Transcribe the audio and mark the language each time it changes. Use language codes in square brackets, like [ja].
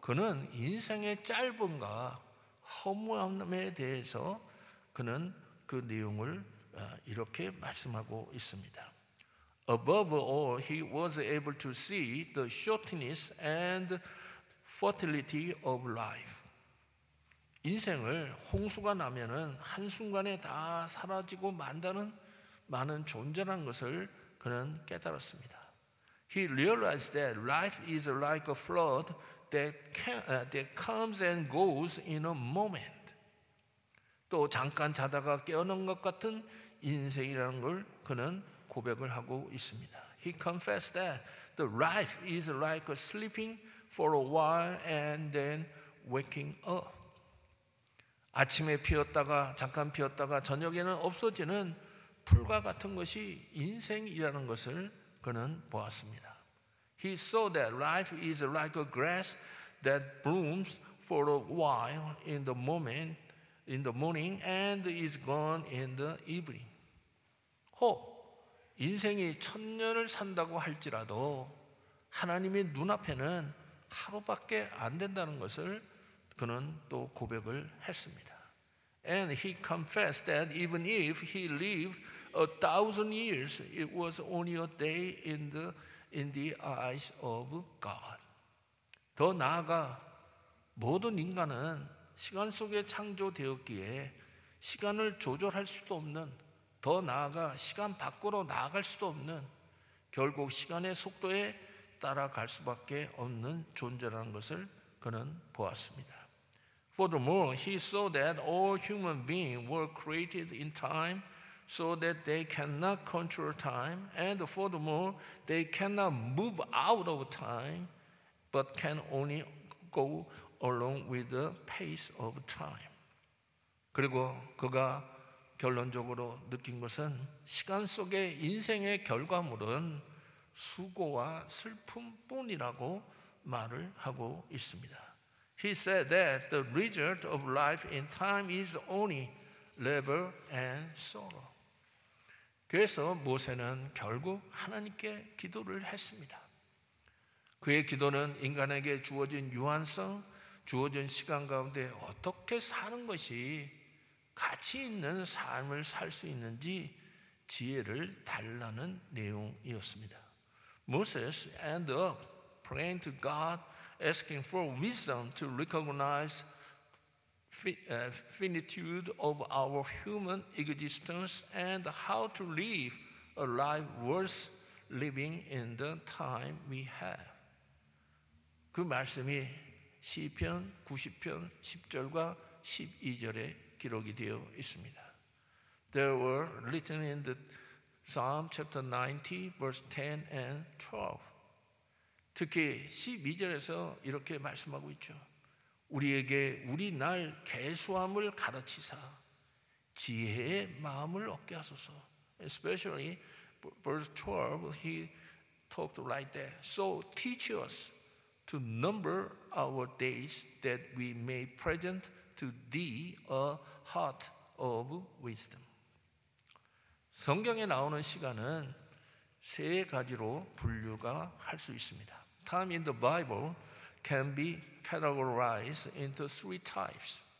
[ko] 그는 인생의 짧음과 허무함에 대해서 그는 그 내용을 이렇게 말씀하고 있습니다. [en] Above all, he was able to see the shortness and futility of life. [ko] 인생을 홍수가 나면은 한순간에 다 사라지고 만다는 많은 존재라는 것을 그는 깨달았습니다. [en] He realized that life is like a flood that comes and goes in a moment. [ko] 또 잠깐 자다가 깨어난 것 같은 인생이라는 걸 그는 고백을 하고 있습니다. [en] He confessed that the life is like a sleeping for a while and then waking up. [ko] 아침에 피었다가 잠깐 피었다가 저녁에는 없어지는 풀과 같은 것이 인생이라는 것을 그는 보았습니다. [en] He saw that life is like a grass that blooms for a while in the moment, in the morning, and is gone in the evening. [ko] 혹 인생이 천년을 산다고 할지라도 하나님의 눈앞에는 하루밖에 안 된다는 것을 그는 또 고백을 했습니다. [en] And he confessed that even if he lived 1,000 years, it was only a day in the eyes of God. [ko] 더 나아가 모든 인간은 시간 속에 창조되었기에 시간을 조절할 수도 없는, 더 나아가 시간 밖으로 나아갈 수도 없는, 결국 시간의 속도에 따라갈 수밖에 없는 존재라는 것을 그는 보았습니다. [en] Furthermore, he saw that all human beings were created in time so that they cannot control time, and furthermore, they cannot move out of time but can only go along with the pace of time. [ko] 그리고 그가 결론적으로 느낀 것은 시간 속의 인생의 결과물은 수고와 슬픔뿐이라고 말을 하고 있습니다. [en] He said that the result of life in time is only labor and sorrow. [ko] 그래서 모세는 결국 하나님께 기도를 했습니다. 그의 기도는 인간에게 주어진 유한성, 주어진 시간 가운데 어떻게 사는 것이 가치 있는 삶을 살 수 있는지 지혜를 달라는 내용이었습니다. [en] Moses ended up praying to God, asking for wisdom to recognize finitude of our human existence and how to live a life worth living in the time we have. [ko] 그 말씀이 시편 90편 10절과 12절에 기록이 되어 있습니다. [en] There were written in the Psalm chapter 90, verse 10 and 12. [ko] 특히 12절에서 이렇게 말씀하고 있죠. 우리에게 우리 날 개수함을 가르치사 지혜의 마음을 얻게 하소서. [en] Especially verse 12, he talked like that. So teach us to number our days that we may present to thee a heart of wisdom. [ko] 성경에 나오는 시간은 세 가지로 분류가 할 수 있습니다. [en] Time in the Bible can be categorized into three types.